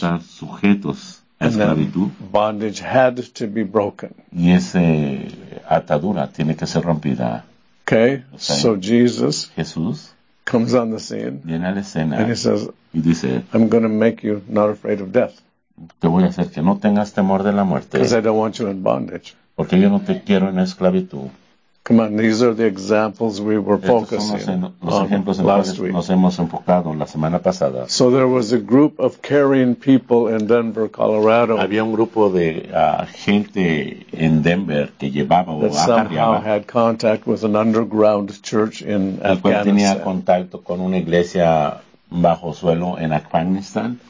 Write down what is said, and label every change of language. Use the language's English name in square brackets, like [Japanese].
[Spanish] Estar sujetos a [English] and [Spanish] esclavitud. [English] Then bondage had to be broken. [Spanish] Y esa atadura tiene que ser rompida. [English] Okay, so Jesus [Spanish] Jesús [English] comes on the scene [Spanish] viene a la escena [English] and he says, [Spanish] y dice, [English] I'm going to make you not afraid of death. [Spanish] Te voy a hacer que no tengas temor de la muerte. [English] Because I don't want you in bondage. [Spanish] Porque yo no te quiero en esclavitud. [English] Come on, these are the examples we were focusing on last week. [Spanish] Nos hemos enfocado la semana pasada. [English] So there was a group of caring people in Denver, Colorado. [Spanish] Había un grupo de gente en Denver que llevaba [English] that somehow had contact with an underground church in Afghanistan. [Spanish] Tenía contacto con una iglesia bajo suelo en Afghanistan.